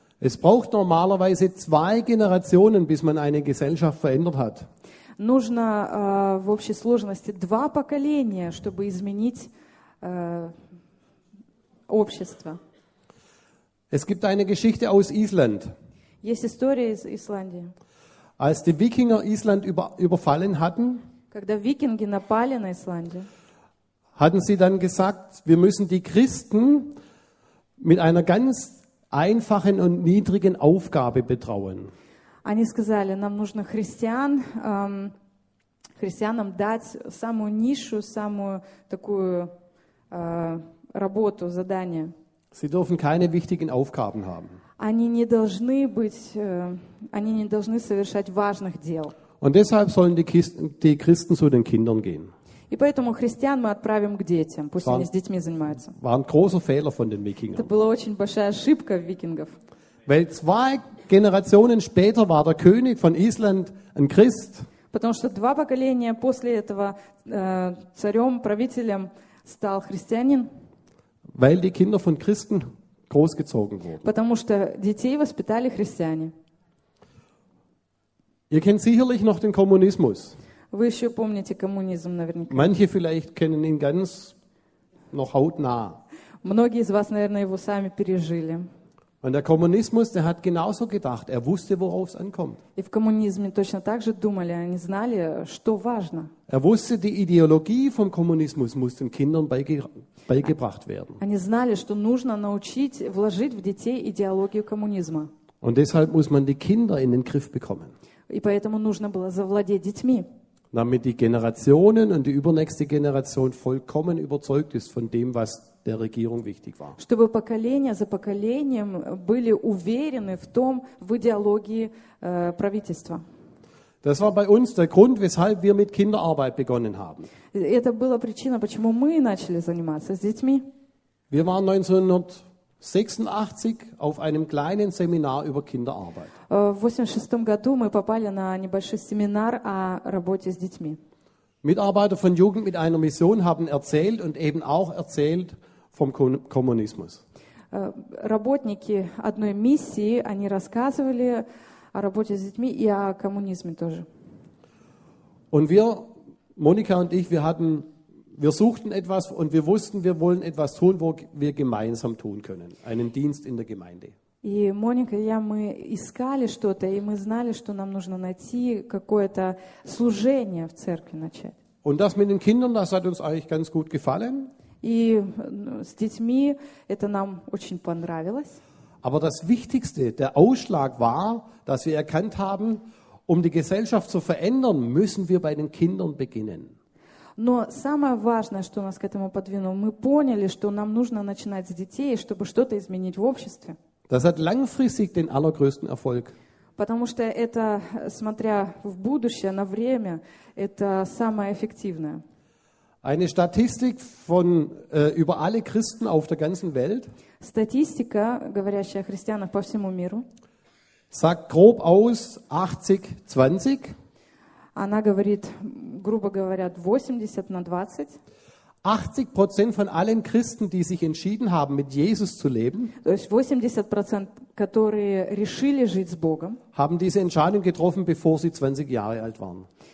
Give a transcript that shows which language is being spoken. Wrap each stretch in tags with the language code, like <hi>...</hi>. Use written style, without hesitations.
<de>Es braucht normalerweise 2 Generationen, bis man eine Gesellschaft verändert hat.</de> <ru>Нужно в общей сложности 2 поколения, чтобы изменить общество.</ru> <de>Es gibt eine Geschichte aus Island.</de> <ru>Есть история из Исландии.</ru> <de>Als die Wikinger Island überfallen hatten,</de> <ru>когда викинги напали на Исландию,</ru> <de>hatten sie dann gesagt, wir müssen die Christen mit einer ganz einfachen und niedrigen Aufgabe betrauen.</de> <ru>Они сказали, нам нужно христиан, христианам дать самую низшую, самую такую работу, задание.</ru> <de>Sie dürfen keine wichtigen Aufgaben haben.</de> <ru>Они не должны совершать важных дел.</ru> <de>Und deshalb sollen die Christen zu den Kindern gehen.</de> <ru>И поэтому христиан мы отправим к детям, пусть они с детьми занимаются.</ru> <de>War ein großer Fehler von den Wikingern.</de> <ru>Это была очень большая ошибка викингов.</ru> <de>Weil 2 Generationen später war der König von Island ein Christ.</de> <ru>Потому что 2 поколения после этого царем, правителем стал христианин.</ru> <de>Weil die Kinder von Christen großgezogen wurden.</de> <ru>Потому что детей воспитали христиане.</ru> <de>Ihr kennt sicherlich noch den Kommunismus.</de> <ru>Вы еще помните коммунизм наверняка.</ru> <de>Manche vielleicht kennen ihn ganz noch hautnah.</de> <ru>Многие из вас, наверное, его сами пережили.</ru> <de>Und der Kommunismus, der hat genauso gedacht. Er wusste, worauf es ankommt.</de> <ru>И в коммунизме точно так же думали. Они знали, что важно.</ru> <de>Er wusste, die Ideologie vom Kommunismus muss den Kindern beigebracht werden.</de> <ru>Они знали, что нужно научить, вложить в детей идеологию коммунизма.</ru> <de>Und deshalb muss man die Kinder in den Griff bekommen.</de> <ru>И поэтому нужно было завладеть детьми.</ru> <de>Damit die Generationen und die übernächste Generation vollkommen überzeugt ist von dem, was der Regierung wichtig war.</de> <ru>Чтобы поколение за поколением были уверены в том, в идеологии правительства.</ru> <de>Das war bei uns der Grund, weshalb wir mit Kinderarbeit begonnen haben.</de> <ru>Это была причина, почему мы начали заниматься с детьми.</ru> <de>Wir waren 1986 auf einem kleinen Seminar über Kinderarbeit.</de> <ru>В 86 году мы попали на небольшой семинар о работе с детьми.</ru> <de>Mitarbeiter von Jugend mit einer Mission haben erzählt und eben auch erzählt vom Kommunismus.</de> <ru>Работники одной миссии, они рассказывали о работе с детьми и о коммунизме тоже.</ru> <de>Und wir, Monika und ich, wir suchten etwas und wir wussten, wir wollen etwas tun, wo wir gemeinsam tun können. Einen Dienst in der Gemeinde.</de> <ru>И Моника и я, мы искали что-то, и мы знали, что нам нужно найти какое-то служение в церкви начать.</ru> <de>Und das mit den Kindern, das hat uns eigentlich ganz gut gefallen.</de> <ru>И с детьми это нам очень понравилось.</ru> <de>Aber das Wichtigste, der Ausschlag war, dass wir erkannt haben, um die Gesellschaft zu verändern, müssen wir bei den Kindern beginnen.</de> <ru>Но самое важное, что нас к этому подвинуло, мы поняли, что нам нужно начинать с детей, чтобы что-то изменить в обществе.</ru> <de>Das hat langfristig den allergrößten Erfolg.</de> <ru>Потому что это, смотря в будущее, на время, это самое эффективное.</ru> <de>Eine Statistik von über alle Christen auf der ganzen Welt.</de> <ru>Статистика, говорящая о христианах по всему миру.</ru> <de>Sagt grob aus 80-20.</de> <ru>Она говорит, грубо говоря, 80 на 20.</ru> <de>80% von allen Christen, die sich entschieden haben, mit Jesus zu leben,</de> <ru>80%, которые решили жить с Богом,</ru> <de>haben diese Entscheidung getroffen, bevor sie 20 Jahre alt waren.</de>